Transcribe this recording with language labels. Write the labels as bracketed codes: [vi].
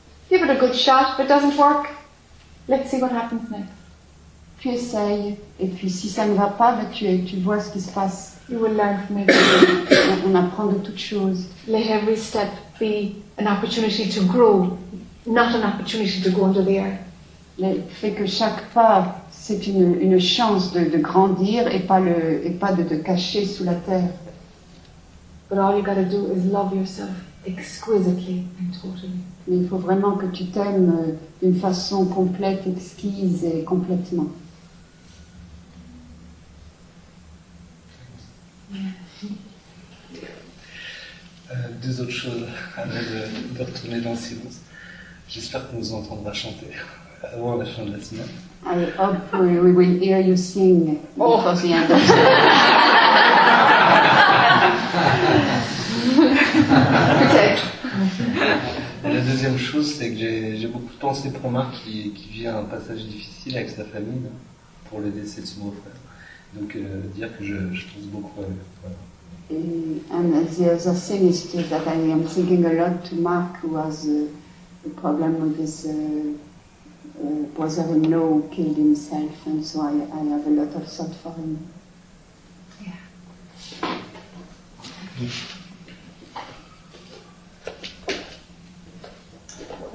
[en] Give it a good shot, but it doesn't work. Let's see what happens next. [fr] Tu essayes, et puis si ça ne va pas, ben tu vois ce qui se passe. [en] You will learn from it. [fr] On apprend de toutes choses. [en] Let every step be an opportunity to grow, not an opportunity to go under the air. [fr] Fais que chaque pas, c'est une chance de grandir et pas de cacher sous la terre. [en] But all you gotta do is love yourself. Exquisitely and totally. [fr] Mais il faut vraiment que tu t'aimes d'une façon complète, exquise et complètement. Deux autres choses avant de retourner dans le silence. J'espère qu'on vous entendra chanter avant la fin de la semaine. [en] I hope we will hear you sing before the end of the day. [fr] La deuxième chose, c'est que j'ai beaucoup pensé pour Marc qui vit un passage difficile avec sa famille pour le décès de son beau-frère. Donc, dire que je pense beaucoup à lui. [en] And the other thing is that I am thinking a lot to Marc, who has a problem with his brother-in-law who killed himself, and so I have a lot of thought for him. Yeah.